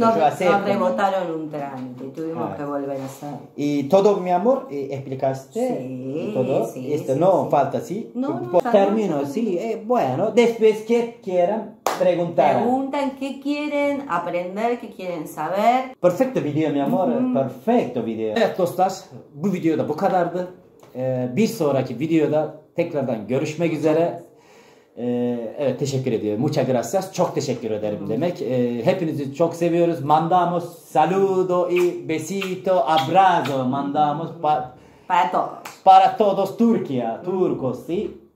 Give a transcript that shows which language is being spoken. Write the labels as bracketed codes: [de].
[es] nos rebotaron un trámite, tuvimos que volver a hacer. Y todo, mi amor, explicaste. Sí. Todo. Sí, esto sí, no sí. Falta, ¿sí? No. Termino, sí. Bueno, después que quieran. Preguntan qué quieren aprender, qué quieren saber. Perfecto video, mi amor. Mm-hmm. Perfecto video. [tr] Evet dostlar, bu videoda bu kadardı. Bir sonraki videoda tekrardan görüşmek üzere. Evet, teşekkür ediyorum. [es] Muchas gracias. [tr] Çok teşekkür ederim demek. Hepinizi çok seviyoruz. [es] Mandamos saludo y besito, abrazo. Mandamos para todos. Para todos Turquía, turcos, sí.